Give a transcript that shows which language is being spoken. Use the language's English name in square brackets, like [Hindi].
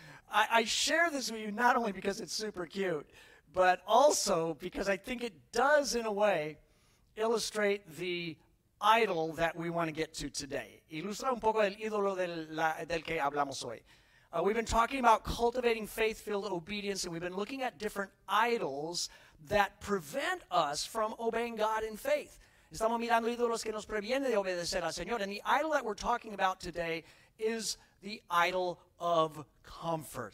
[English] I share this with you not only because it's super cute, but also because I think it does, in a way, illustrate the idol that we want to get to today. [Spanish] Ilustra un poco el ídolo del que hablamos hoy. [English] We've been talking about cultivating faith-filled obedience, and we've been looking at different idols that prevent us from obeying God in faith. [Spanish] Estamos mirando ídolos que nos previenen de obedecer al Señor, [English] and the idol that we're talking about today is the idol of comfort.